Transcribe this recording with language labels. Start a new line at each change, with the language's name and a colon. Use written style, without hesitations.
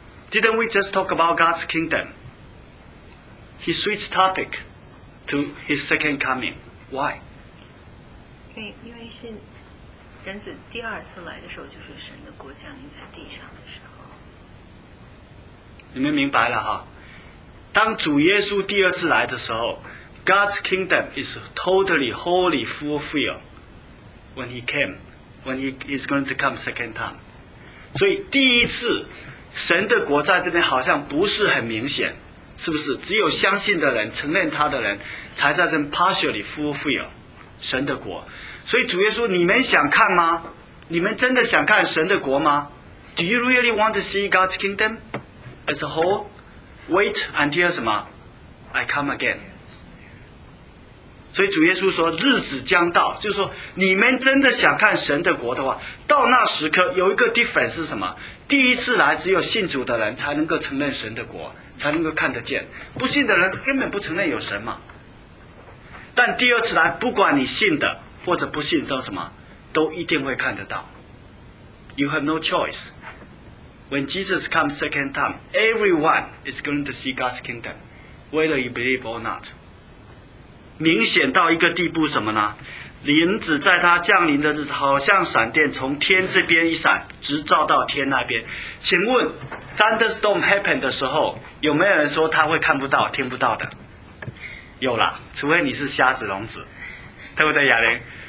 English: Didn't we just talk about God's kingdom? He switched topic to his second coming. Why?
Chinese: 因为是人子第二次来的时候，就是神的国降临在地上的时候。你们明白了哈？当主耶稣第二次来的时候
English: ，God's kingdom is totally, wholly fulfilled when He came, when He is going to come second time.
Chinese: 所以第一次，神的国在这边好像不是很明显，是不是？只有相信的人、承认他的人，才在这
English: partially fulfilled
Chinese: 神的国。所以主耶稣，你们想看吗？你们真的想看神的国吗
English: ？Do you really want to see God's kingdom as a whole？ Wait until
Chinese: 什么 ？
English: I come again。
Chinese: 所以主耶稣说：“日子将到，就是说你们真的想看神的国的话，到那时刻有一个 difference 是什么？第一次来只有信主的人才能够承认神的国，才能够看得见。不信的人根本不承认有神嘛。但第二次来，不管你信的或者不信，都什么，都一定会看得到。
English: You have no choice. When Jesus comes second time, everyone is going to see God's kingdom, whether you believe or not.
Chinese: 明显到一个地步什么呢？灵子在他降临的日子，好像闪电从天这边一闪，直照到天那边。请问 ，
English: thunderstorm happen
Chinese: 的时候，有没有人说他会看不到、听不到的？有啦，除非你是瞎子、聋子，对不对，雅玲？